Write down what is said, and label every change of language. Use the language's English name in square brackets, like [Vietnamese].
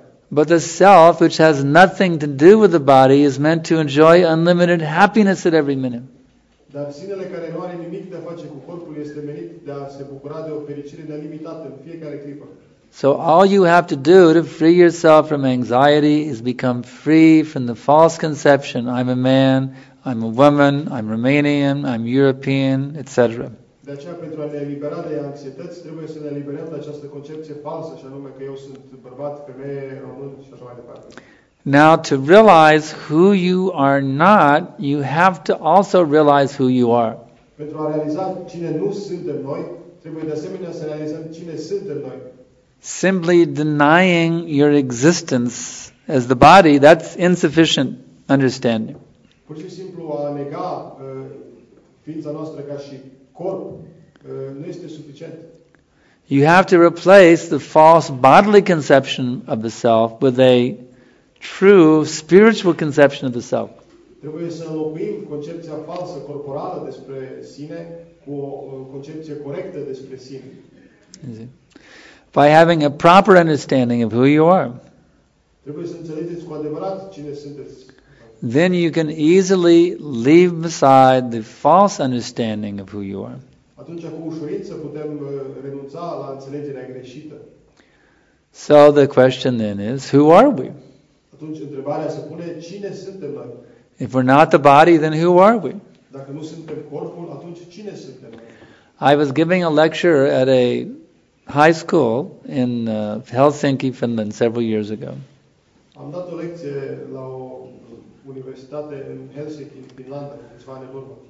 [English] But the self, which has nothing to do with the body, is meant to enjoy unlimited happiness at every minute. [Romanian] Dar sinele care nu are nimic de a face cu corpul este menit de a se bucura de o fericire nelimitată în fiecare clipă. [English] So all you have to do to free yourself from anxiety is become free from the false conception, I'm a man, I'm a woman, I'm Romanian, I'm European, etc. [Romanian] De aceea, pentru a ne elibera de anxietăți, trebuie să ne eliberăm de această concepție falsă, și anume că eu sunt bărbat, femeie, român și așa mai departe. [English] Now, to realize who you are not, you have to also realize who you are. [Romanian] Pentru a realiza cine nu suntem noi, trebuie de asemenea să realizăm cine suntem noi. [English] Simply denying your existence as the body, that's insufficient understanding. [Romanian] Pur și simplu a nega ființa noastră ca și corp nu este suficient. [English] You have to replace the false bodily conception of the self with a true spiritual conception of the self. [Romanian] Trebuie să înlocuim concepția falsă corporală despre sine cu o concepție corectă despre sine. [English] By having a proper understanding of who you are, [Romanian] trebuie să înțelegeți cu adevărat cine sunteți. [English] Then you can easily leave aside the false understanding of who you are. [Romanian] Atunci cu ușurință putem renunța la înțelegerea greșită. [English] So the question then is, who are we? [Romanian] Atunci întrebarea se pune, cine suntem noi? [English] If we're not the body, then who are we? [Romanian] Dacă nu suntem corpul, atunci cine suntem noi? [English] I was giving a lecture at a high school in Helsinki, Finland, several years ago. [Romanian] Am dat o lecție la o universitate în Helsinki, Finlanda, câțiva ani în urmă.